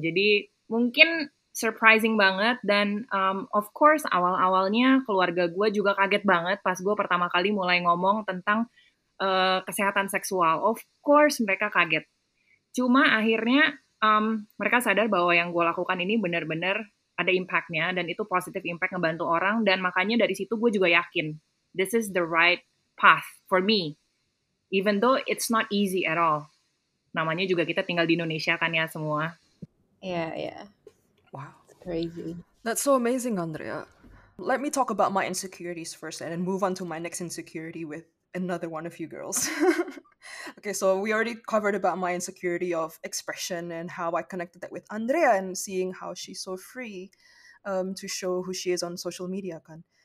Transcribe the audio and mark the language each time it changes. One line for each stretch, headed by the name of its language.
Indonesian: Jadi mungkin surprising banget dan of course awal-awalnya keluarga gue juga kaget banget pas gue pertama kali mulai ngomong tentang kesehatan seksual. Of course mereka kaget. Cuma akhirnya mereka sadar bahwa yang gue lakukan ini benar-benar ada impact-nya dan itu positive impact ngebantu orang dan makanya dari situ gue juga yakin
English: this is the right path for me. Even though it's not easy at all.
Indonesian: Namanya juga kita tinggal di Indonesia kan ya semua.
English: Yeah. Wow. It's crazy. That's so amazing, Andrea. Let me talk about my insecurities first and then move on to my next insecurity with another one of you girls. Okay, so we already covered about my insecurity of expression and how I connected that with Andrea and seeing how she's so free to show who she is on social media, kan?